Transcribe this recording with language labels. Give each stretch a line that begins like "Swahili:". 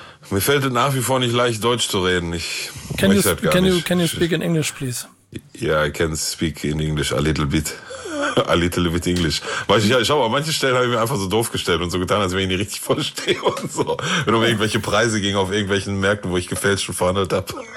German: Mir fällt es nach wie vor nicht leicht, Deutsch zu reden.
English: Can you speak in English, please? Ja, yeah, I can speak in English a little bit English.
German: Weiß ich ja, schau mal, manche Stellen habe ich mir einfach so doof gestellt und so getan, als wenn ich nicht richtig verstehe und so. Wenn um irgendwelche Preise ging auf irgendwelchen Märkten, wo ich gefälscht und verhandelt habe.